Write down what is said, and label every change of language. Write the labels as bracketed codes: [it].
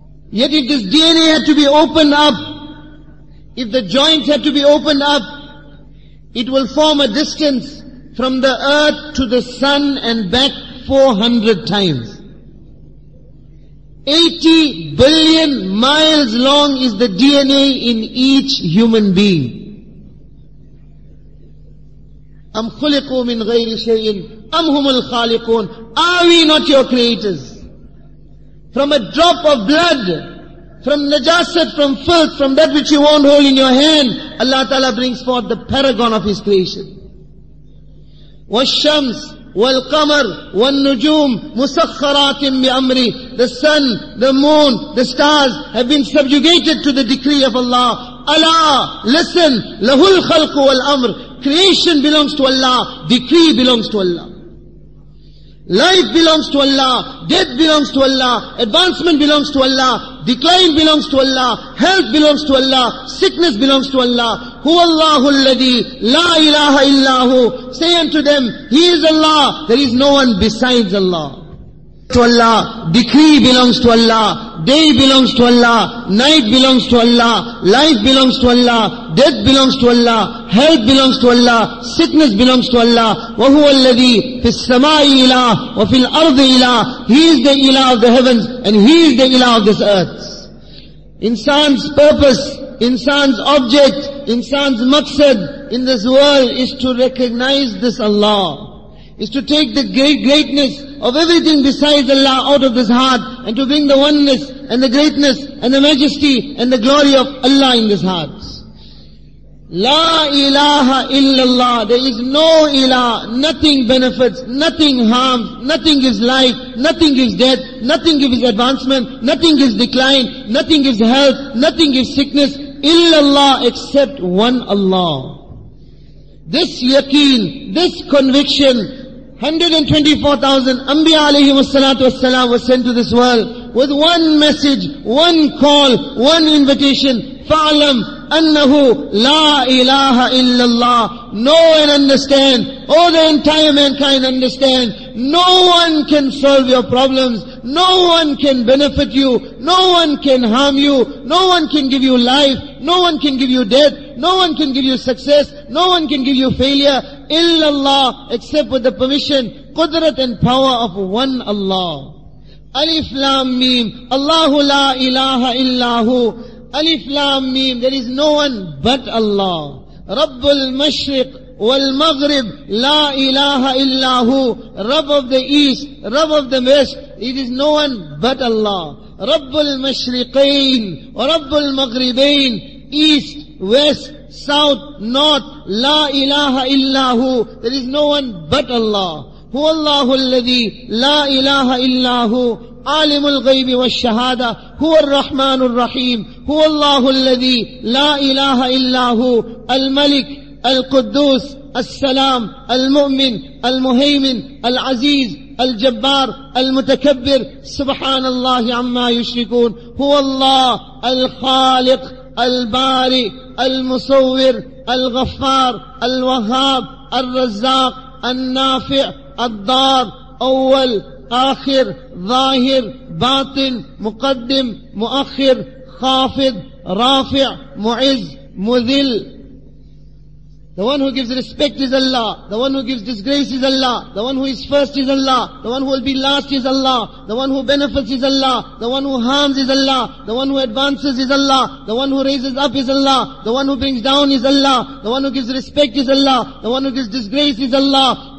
[en] Yet if this DNA had to be opened up, if the joints had to be opened up, it will form a distance from the earth to the sun and back 400 times. 80 billion miles long is the DNA in each human being. [ar] أَمْ خُلِقُوا مِنْ غَيْرِ شَيْءٍ أَمْ هُمُ الْخَالِقُونَ [en] Are we not your creators? From a drop of blood, from najasat, from filth, from that which you won't hold in your hand, Allah Ta'ala brings forth the paragon of His creation. [ar] وَالشَّمْسِ والقمر والنجوم مسخرات بأمري. [en] The sun, the moon, the stars have been subjugated to the decree of Allah. [ar] Allah, listen, له الخلق والأمر. [en] Creation belongs to Allah, decree belongs to Allah. Life belongs to Allah, death belongs to Allah, advancement belongs to Allah, decline belongs to Allah, health belongs to Allah, sickness belongs to Allah. [ar] Hu Allahu alladhi la ilaha illahu. [en] Say unto them, He is Allah, there is no one besides Allah. To Allah, decree belongs to Allah, day belongs to Allah, night belongs to Allah, life belongs to Allah, death belongs to Allah, health belongs to Allah, sickness belongs to Allah. [ar] وهو الذي في السماء إله وفي الأرض إله. [en] He is the إله of the heavens and He is the إله of this earth. Insan's purpose, insan's object, insan's maqsad in this world is to recognize this Allah, is to take the greatness of everything besides Allah out of this heart and to bring the oneness and the greatness and the majesty and the glory of Allah in this heart. [ar] La ilaha illallah. [en] There is no ilah. Nothing benefits, nothing harms, nothing gives life, nothing gives death, nothing gives advancement, nothing gives decline, nothing gives health, nothing gives sickness. Illallah, except one Allah. This yaqeen, this conviction, 124,000 Anbiya [ar] alayhi wassalatu wassalam [en] was sent to this world with one message, one call, one invitation. [ar] فَعْلَمْ أَنَّهُ لَا إِلَٰهَ إِلَّا اللَّهِ [en] Know and understand. Oh, the entire mankind understand. No one can solve your problems. No one can benefit you. No one can harm you. No one can give you life. No one can give you death. No one can give you success. No one can give you failure. [ar] إِلَّا اللَّهِ [en] Except with the permission, قُدْرَة and power of one Allah. [ar] أَلِفْ لَامْ مِيمْ اللَّهُ لَا إِلَٰهَ إِلَّا هُوْ Alif Lam Mim. [en] There is no one but Allah. [ar] Rabbul Mashriq wal Maghrib, La ilaha illa hu. [en] Rabb of the East, Rabb of the West, it is no one but Allah. [ar] Rabbul Mashriqain, Rabbul Maghribain, [en] East, West, South, North, [ar] La ilaha illa hu. [en] There is no one but Allah. [ar] Hu Allahu alladhi, La ilaha illa hu. عالم الغيب والشهادة هو الرحمن الرحيم هو الله الذي لا إله إلا هو الملك القدوس السلام المؤمن المهيمن العزيز الجبار المتكبر سبحان الله عما يشركون هو الله الخالق البارئ المصور الغفار الوهاب الرزاق النافع الضار أول آخر ظاهر باطن مقدم مؤخر خافض رافع معز مذل. [en] The one who gives respect is Allah. The one who gives disgrace is Allah. The one who is first is Allah. The one who will be last is Allah. The one who benefits is Allah. The one who harms is Allah. The one who advances is Allah. The one who raises up is Allah. The one who brings down is Allah. The one who gives respect is Allah. The one who gives disgrace is Allah.